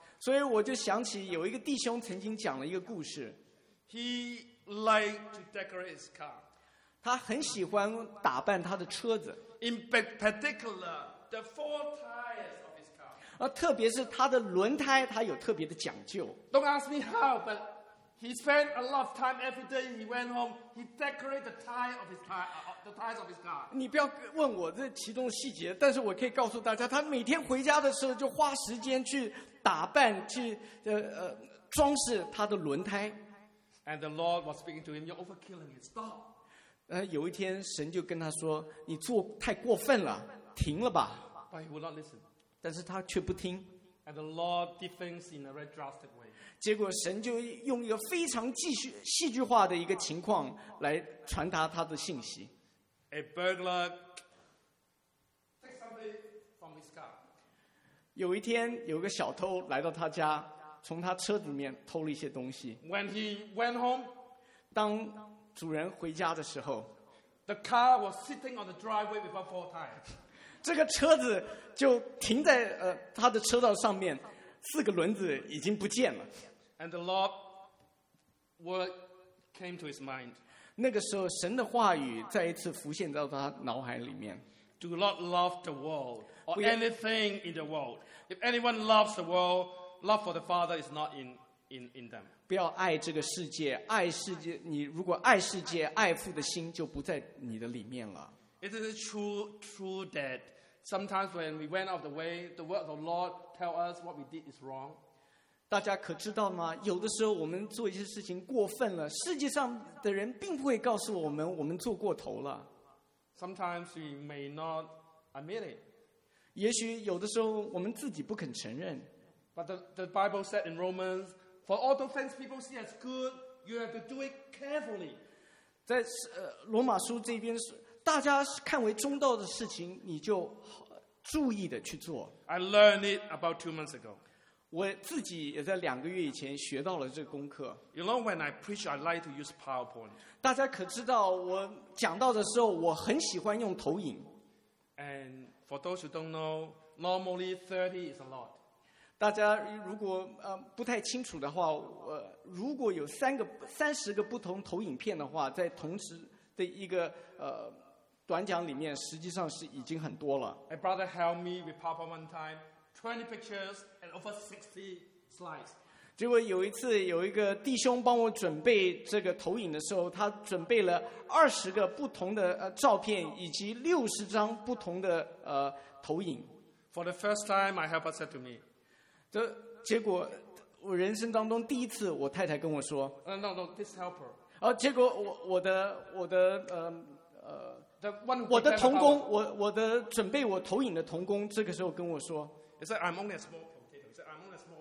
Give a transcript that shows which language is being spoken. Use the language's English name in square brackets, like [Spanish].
[Chinese] 所以我就想起有一个弟兄曾经讲了一个故事。 [English] He liked to decorate his car. [Chinese] 他很喜欢打扮他的车子。 [English] In particular, the four tires. [Chinese] 而特别是他的轮胎他有特别的讲究。 [English] Don't ask me how, but he spent a lot of time every day he went home, he decorated the tires of his car. [Chinese] 你不要问我这其中细节，但是我可以告诉大家，他每天回家的时候就花时间去打扮，去装饰他的轮胎。 [English] And the Lord was speaking to him, you're overkilling it, stop. [Chinese] 有一天神就跟他说，你做太过分了，停了吧。 [English] But he would not listen. [Chinese] 但是他却不听。 [English] And the Lord defends in a very drastic way. [Chinese] 结果神就用一个非常戏剧化的一个情况来传达他的信息。 [English] A burglar takes something from his car. [Chinese] 有一天有个小偷来到他家，从他车子里面偷了一些东西。 [English] When he went home, [Chinese] 当主人回家的时候， [English] The car was sitting on the driveway with four tires. [Chinese] 这个车子就停在他的车道上面，四个轮子已经不见了。 [English] And the Lord word came to his mind. [Chinese] 那个时候神的话语再一次浮现到他脑海里面。 [English] Do not love the world or anything in the world. If anyone loves the world, love for the Father is not in them. [Chinese] 不要爱这个世界，爱世界，你如果爱世界，爱父的心就不在你的里面了。 [English] It is true that sometimes when we went out of the way, the word of the Lord tell us what we did is wrong. [Chinese] 大家可知道吗？有的时候我们做一些事情过分了，世界上的人并不会告诉我们我们做过头了。 [English] Sometimes we may not admit it. [Chinese] 也许有的时候我们自己不肯承认。 [English] But the Bible said in Romans, for all the things people see as good, you have to do it carefully. [Chinese] 在罗马书这边是。大家看为中道的事情，你就注意的去做。 [English] I learned it about 2 months ago. [Chinese] 我自己也在两个月以前学到了这个功课。 [English] You know when I preach, I like to use PowerPoint. [Chinese] 大家可知道，我讲到的时候，我很喜欢用投影。 [English] And for those who don't know, normally 30 is a lot. [Chinese] 大家如果不太清楚的话，如果有三十个不同投影片的话，在同时。的一个短讲里面实际上是已经很多了。 [English] A brother helped me with PowerPoint one time, 20 pictures and over 60 slides. [Chinese] 结果有一次有一个弟兄帮我准备这个投影的时候，他准备了20个不同的照片以及60张不同的投影。 [English] For the first time, my helper said to me, [Chinese] 结果我人生当中第一次我太太跟我说 [English] No, this helper. [Chinese] 结果我的同工，我的准备我投影的同工，这个时候跟我说 [English] ，He said I'm only a small potato.